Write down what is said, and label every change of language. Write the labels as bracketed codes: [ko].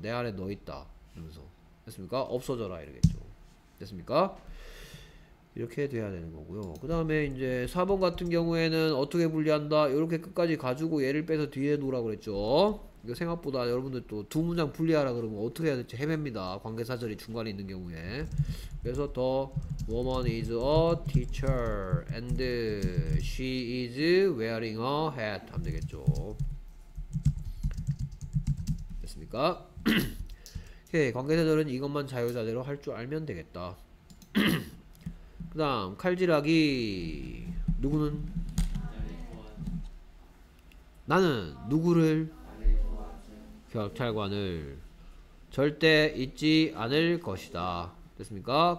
[ko] 내 안에 너 있다. 이러면서. 됐습니까? 없어져라 이러겠죠. 됐습니까? 이렇게 돼야 되는 거고요. 그 다음에 이제 4번 같은 경우에는 어떻게 분리한다? 이렇게 끝까지 가지고 얘를 빼서 뒤에 놓으라 그랬죠. 이거 생각보다 여러분들 또 두 문장 분리하라 그러면 어떻게 해야 될지 헤맵니다. 관계사절이 중간에 있는 경우에. 그래서 [en] the woman is a teacher and she is wearing a hat [ko] 하면 되겠죠. 됐습니까? 오케이. 관계사절은 이것만 자유자재로 할 줄 알면 되겠다. 그 다음 칼질하기 누구는? 나는 누구를? 경찰관을 절대 잊지 않을 것이다. 됐습니까?